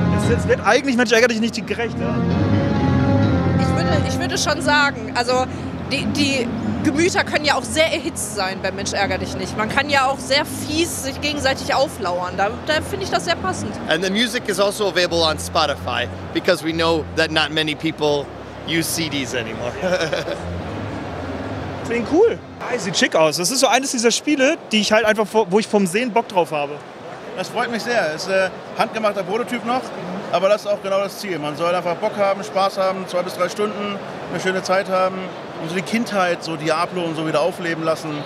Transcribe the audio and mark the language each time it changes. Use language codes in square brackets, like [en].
[de] Jetzt wird eigentlich Mensch ärgere dich nicht gerecht. Ja? Ich würde schon sagen, also die Gemüter können ja auch sehr erhitzt sein bei Mensch ärgere dich nicht. Man kann ja auch sehr fies sich gegenseitig auflauern. Da finde ich das sehr passend. [en] And the music is also available on Spotify, because we know that not many people use CDs anymore. [de] Klingt cool. Sieht schick aus. Das ist so eines dieser Spiele, die ich halt einfach, wo ich vom Sehen Bock drauf habe. Das freut mich sehr. Es ist ein handgemachter Prototyp noch, aber das ist auch genau das Ziel. Man soll einfach Bock haben, Spaß haben, 2 bis 3 Stunden, eine schöne Zeit haben und so die Kindheit, so Diablo und so wieder aufleben lassen.